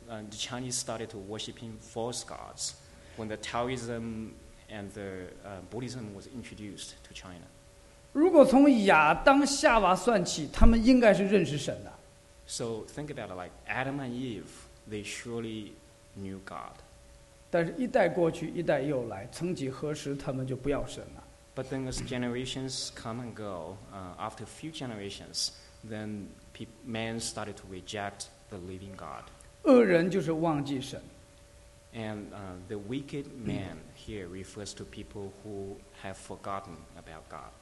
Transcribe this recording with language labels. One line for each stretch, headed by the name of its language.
English: the Chinese started to worshiping false gods when the Taoism and the Buddhism was introduced to China.
Chinese: 如果从亚当夏娃算起，他们应该是认识神的。
English: So think about it, like Adam and Eve, they surely knew God.
Chinese: 但是一代过去，一代又来，曾几何时，他们就不要神了。
English: But then as generations come and go, after a few generations, then man started to reject the living God.
Chinese: 恶人就是忘记神。
English: And the wicked man here refers to people who have forgotten about God.